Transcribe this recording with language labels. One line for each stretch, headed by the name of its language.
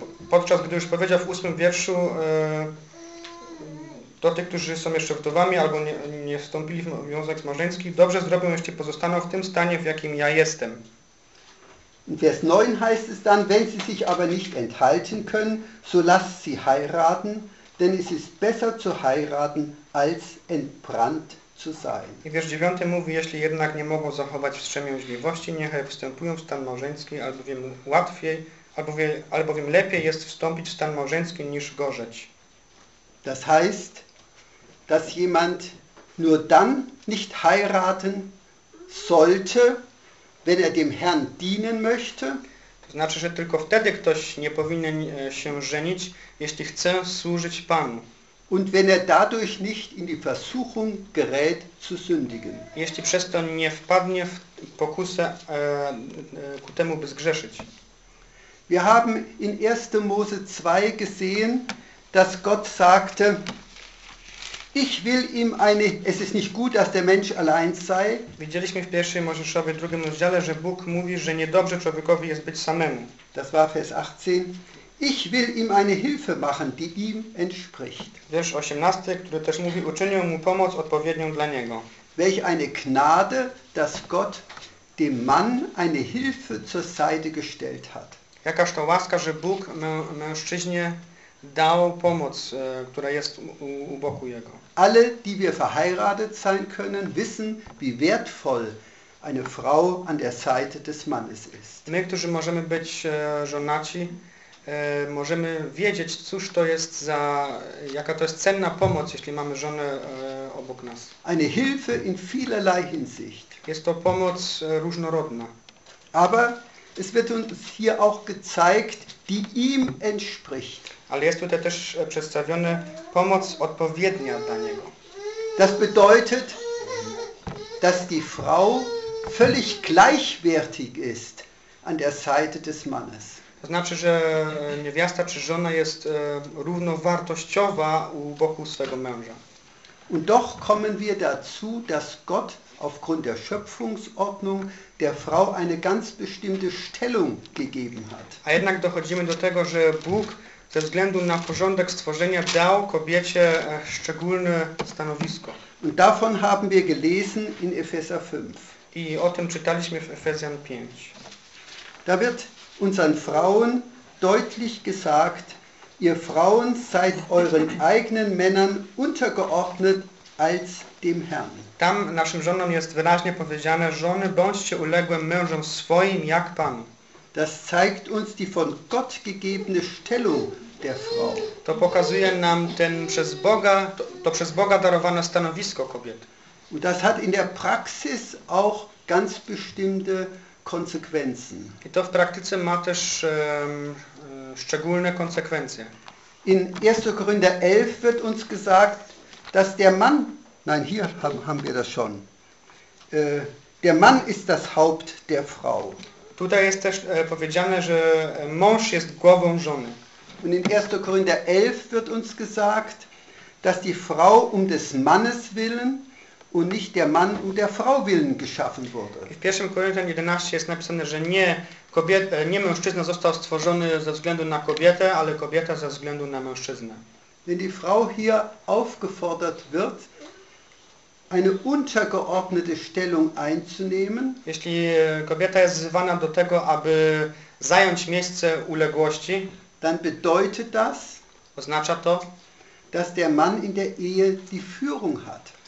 Polish: Podczas gdy już powiedział w 8 wierszu, do tych, którzy są jeszcze wdowami albo nie wstąpili w związek małżeński, dobrze zrobią, jeśli pozostaną w tym stanie, w jakim ja jestem.
German: In Vers 9 heißt es dann, wenn sie sich aber nicht enthalten können, so lass sie heiraten, denn es ist besser zu heiraten, als entbrannt zu sein.
Polish: I wiersz 9 mówi, jeśli jednak nie mogą zachować wstrzemięźliwości, niechaj wstępują w stan małżeński, albowiem łatwiej albowiem lepiej jest wstąpić w stan małżeński niż gorzeć.
German: Das heißt, dass jemand nur dann nicht heiraten sollte, wenn er dem Herrn dienen möchte.
Polish: To znaczy, że tylko wtedy ktoś nie powinien się żenić, jeśli chce służyć Panu.
German: Und wenn er dadurch nicht in die Versuchung gerät zu sündigen.
Polish: Jeśli przez to nie wpadnie w pokusę ku temu, by zgrzeszyć.
German: Wir haben in 1. Mose 2 gesehen, dass Gott sagte, ich will ihm eine, es ist nicht gut, dass der Mensch allein sei.
Polish: Widzieliśmy w 1. Mojżeszowie 2. rozdziale, że Bóg mówi, że niedobrze człowiekowi jest być samemu.
German: Das war Vers 18. Ich will ihm eine Hilfe machen, die ihm entspricht.
Polish: Wiersz 18, który też mówi, uczynię mu pomoc odpowiednią dla niego.
German: Welch eine Gnade, dass Gott dem Mann eine Hilfe zur Seite gestellt hat.
Polish: Jakaż to łaska, że Bóg mężczyźnie dał pomoc, która jest u boku jego.
German: Alle, die wir verheiratet sein können, wissen, wie wertvoll eine Frau an der Seite des Mannes ist.
Polish: My, którzy możemy być żonaci, możemy wiedzieć, cóż to jest za, jaka to jest cenna pomoc, jeśli mamy żonę obok nas.
German: Eine Hilfe in vielerlei Hinsicht.
Polish: Jest to pomoc różnorodna.
German: Aber es wird uns hier auch gezeigt, die ihm entspricht.
Polish: Ale jest tutaj też przedstawione pomoc odpowiednia dla niego.
German: Das bedeutet, dass die Frau völlig gleichwertig ist an der Seite des Mannes.
Polish: To znaczy, że niewiasta czy żona jest równowartościowa u boku swego męża.
German: Und doch kommen wir dazu, dass Gott aufgrund der Schöpfungsordnung der Frau eine ganz bestimmte Stellung gegeben hat.
Polish: A jednak dochodzimy do tego, że Bóg ze względu na porządek stworzenia dał kobiecie szczególne stanowisko.
German: Und davon haben wir gelesen in Epheser 5.
Polish: I o tym czytaliśmy w Efezjan 5.
German: Da wird unseren Frauen deutlich gesagt, ihr Frauen seid euren eigenen Männern untergeordnet als dem Herrn.
Polish: Tam naszym żonom jest wyraźnie powiedziane, żony, bądźcie uległe mężom swoim jak Panu.
German: Das zeigt uns die von Gott gegebene Stellung der Frau.
Polish: To pokazuje nam ten przez Boga, to przez Boga darowane stanowisko kobiet.
German: Und das hat in der Praxis auch ganz bestimmte Konsequenzen.
Polish: I to w praktyce ma też szczególne konsekwencje.
German: In 1. Korinther 11 wird uns gesagt, dass der Mann, nein, hier haben wir das schon, der Mann ist das Haupt der Frau.
Polish: Tutaj jest też powiedziane, że mąż jest głową żony.
German: Und in 1. Korinther 11 wird uns gesagt, dass die Frau um des Mannes willen und nicht der Mann um der Frau willen geschaffen wurde.
Polish: W 1. Korinther 11 jest napisane, że nie mężczyzna został stworzony ze względu na kobietę, ale kobieta ze względu na mężczyznę.
German: Wenn die Frau hier aufgefordert wird, eine untergeordnete Stellung einzunehmen.
Polish: Jeśli kobieta jest wzywana do tego, aby zająć miejsce uległości,
German: dann bedeutet das,
Polish: oznacza to,
German: dass der Mann in der Ehe die Führung hat.